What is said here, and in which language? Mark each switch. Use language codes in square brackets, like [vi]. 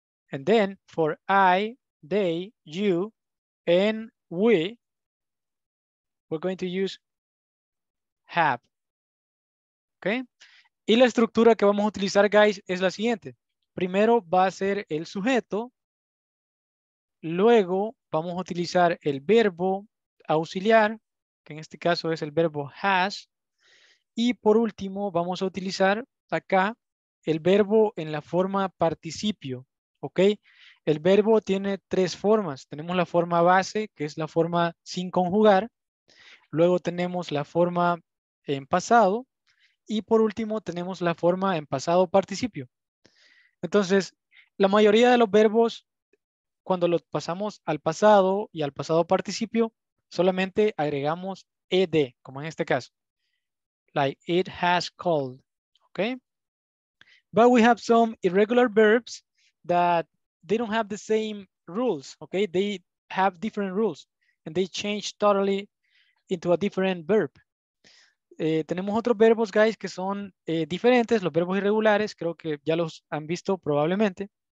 [en] And then for I, they, you, and we, we're going to use have. Okay? [es] Y la estructura que vamos a utilizar, guys, es la siguiente. Primero va a ser el sujeto. Luego vamos a utilizar el verbo auxiliar, que en este caso es el verbo has. Y por último vamos a utilizar acá el verbo en la forma participio. ¿Okay? El verbo tiene tres formas. Tenemos la forma base, que es la forma sin conjugar. Luego tenemos la forma en pasado. Y por último tenemos la forma en pasado participio. Entonces, la mayoría de los verbos, cuando lo pasamos al pasado y al pasado participio, solamente agregamos ed, como en este caso. [en] Like, it has called. Okay? But we have some irregular verbs that they don't have the same rules. Okay? They have different rules. And they change totally into a different verb. [es] Tenemos otros verbos, guys, que son diferentes. Los verbos irregulares, creo que ya los han visto probablemente.